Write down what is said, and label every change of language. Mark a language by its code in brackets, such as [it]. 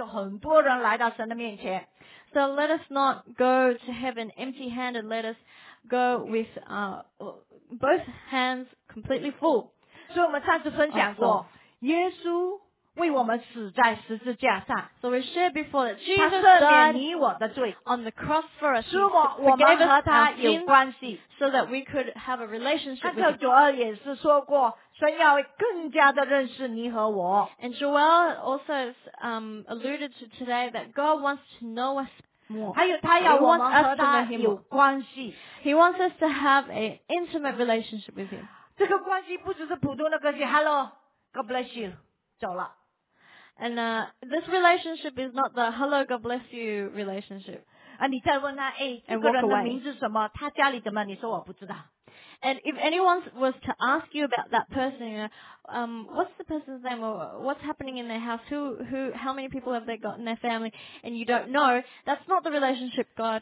[zh] 我们要两边手满满的带着很多人来到神的面前。 [en] So let us not go to heaven empty-handed. Let us go with both hands completely full. [zh] 所以我们上次分享过，耶稣为我们死在十字架上。 [en] So we shared before that Jesus died on the cross for us. [zh] 使我们和他有关系。 [en] So that we could have a relationship with him. [zh] 那时候主要也是说过，神要更加的认识你和我。 [en] And Joel also alluded to today that God wants to know us more. [zh] 还有他要我们和他有关系。 [en] He wants us to have an intimate relationship with him. [zh] 这个关系不只是普通的关系, [en] Hello, God bless you, [zh] 走了。 [en] And this relationship is not the Hello, God bless you relationship. [zh] 你再问他, 这个人的名字是什么, 他家里怎么, 你说我不知道。 [en] And if anyone was to ask you about that person, what's the person's name, or what's happening in their house, how many people have they got in their family, and you don't know, that's not the relationship God